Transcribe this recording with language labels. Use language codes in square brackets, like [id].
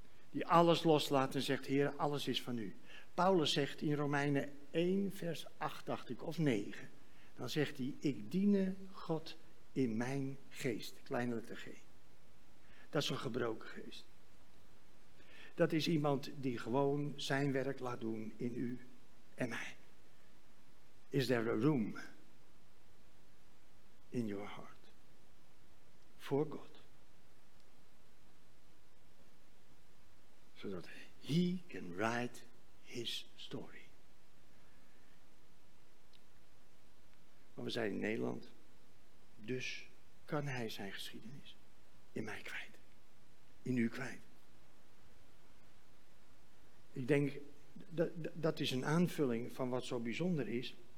[nl] Die alles loslaat en zegt, Heer, alles is van u. Paulus zegt in Romeinen 1 vers 8, dacht ik, of 9. Dan zegt hij, ik diene God in mijn geest. Kleine letter G. Dat is een gebroken geest. Dat is iemand die gewoon zijn werk laat doen in u en mij. [en] Is there a room in your heart for God? [nl] Zodat [en] he can write his story. [nl] Maar we zijn in Nederland, dus kan hij zijn geschiedenis in mij kwijt, in u kwijt. Ik denk, dat is een aanvulling van wat zo bijzonder is.